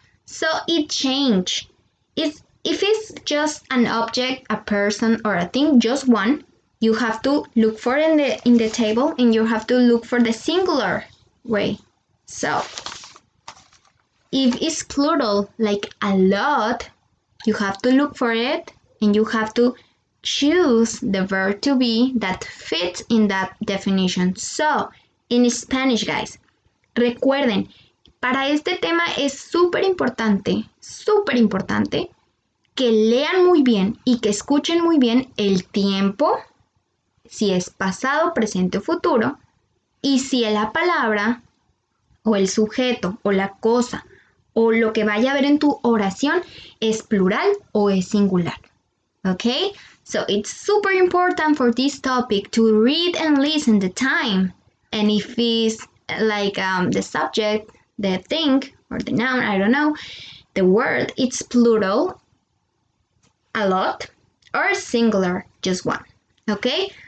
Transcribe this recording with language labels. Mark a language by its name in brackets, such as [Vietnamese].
[English] So it changes. If it's just an object, a person, or a thing, just one, you have to look for it in the table, and you have to look for the singular way. So if it's plural, like a lot, you have to look for it, and you have to choose the verb to be that fits in that definition. So, in Spanish, guys, [Spanish] recuerden, para este tema es súper importante, que lean muy bien y que escuchen muy bien el tiempo, si es pasado, presente o futuro, y si es la palabra, o el sujeto, o la cosa, o lo que vaya a ver en tu oración, es plural o es singular. [English] Okay? So it's super important for this topic to read and listen the time. And if it's like the subject, the thing, or the noun, I don't know, the word, it's plural, a lot, or singular, just one. Okay?